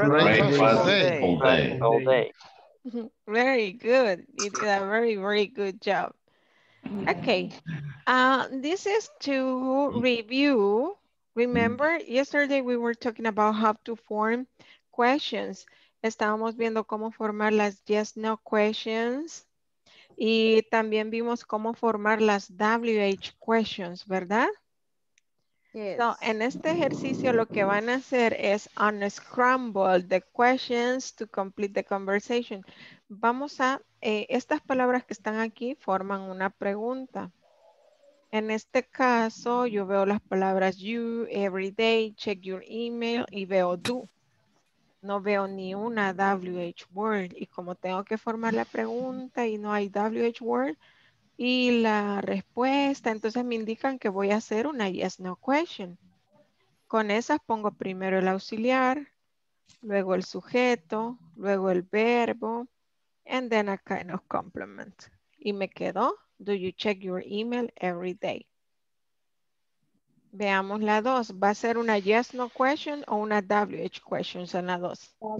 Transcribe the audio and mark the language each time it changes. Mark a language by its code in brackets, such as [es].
[en] What time do you get up on Sunday? At 10 o'clock. Sunday. Oh, at 10 o'clock. Do you eat breakfast every day? Then let's meet at this restaurant at 1 o'clock. Very good. You did a very good job. Okay. This is to review. Remember, yesterday we were talking about how to form questions. [es] Estábamos viendo cómo formar las [en] yes, no questions. [es] Y también vimos cómo formar las [en] WH questions, [es] ¿verdad? [en] Yes. [es] So, en este ejercicio lo que van a hacer es [en] unscramble the questions to complete the conversation. [es] Vamos a, estas palabras que están aquí forman una pregunta. En este caso, yo veo las palabras [en] you, every day, check your email [es] y veo do. No veo ni una WH word. Y como tengo que formar la pregunta y no hay WH word y la respuesta, entonces me indican que voy a hacer una yes, no question. Con esas pongo primero el auxiliar, luego el sujeto, luego el verbo. [en] And then a kind of compliment. [es] Y me quedó, [en] do you check your email every day? [es] Veamos la dos. ¿Va a ser una [en] yes no question [es] o una [en] wh question [es] en la dos?